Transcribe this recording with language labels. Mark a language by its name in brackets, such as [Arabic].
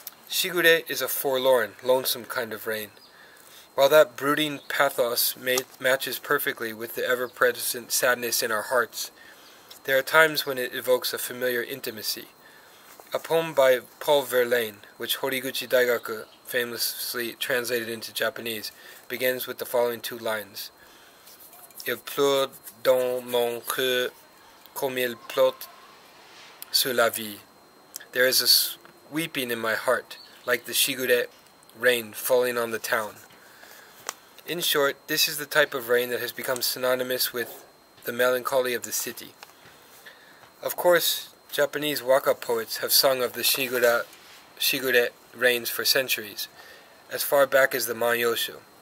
[English] Shigure is a forlorn, lonesome kind of rain. While that brooding pathos matches perfectly with the ever-present sadness in our hearts, there are times when it evokes a familiar intimacy. A poem by Paul Verlaine, which Horiguchi Daigaku famously translated into Japanese, begins with the following two lines. [French] Il pleut dans mon cœur comme il pleut sur la vie. [English] There is a weeping in my heart, like the shigure rain falling on the town. In short, this is the type of rain that has become synonymous with the melancholy of the city. Of course, Japanese waka poets have sung of the shigure rains for centuries, as far back as the Manyoshu.